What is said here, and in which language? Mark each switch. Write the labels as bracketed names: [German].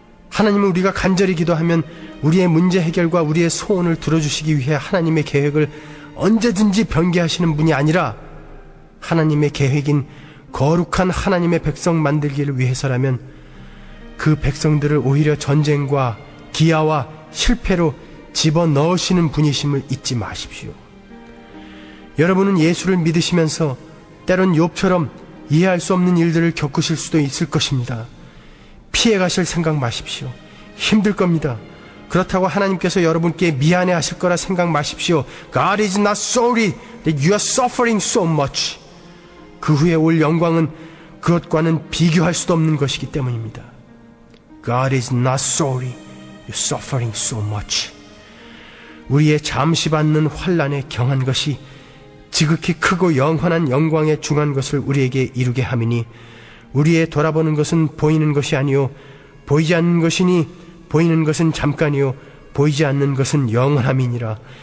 [Korean] 하나님은 우리가 간절히 기도하면 우리의 문제 해결과 우리의 소원을 들어주시기 위해 하나님의 계획을 언제든지 변개하시는 분이 아니라 하나님의 계획인 거룩한 하나님의 백성 만들기를 위해서라면 그 백성들을 오히려 전쟁과 기아와 실패로 집어넣으시는 분이심을 잊지 마십시오. 여러분은 예수를 믿으시면서 때론 욥처럼 이해할 수 없는 일들을 겪으실 수도 있을 것입니다. 피해 가실 생각 마십시오. 힘들 겁니다. 그렇다고 하나님께서 여러분께 미안해 하실 거라 생각 마십시오. [English] God is not sorry that you are suffering so much. [Korean] 그 후에 올 영광은 그것과는 비교할 수도 없는 것이기 때문입니다. [English] God is not sorry you're suffering so much. [Korean] 우리의 잠시 받는 환난에 경한 것이 지극히 크고 영원한 영광에 중한 것을 우리에게 이루게 함이니 우리의 돌아보는 것은 보이는 것이 아니오 보이지 않는 것이니 보이는 것은 잠깐이요 보이지 않는 것은 영원함이니라.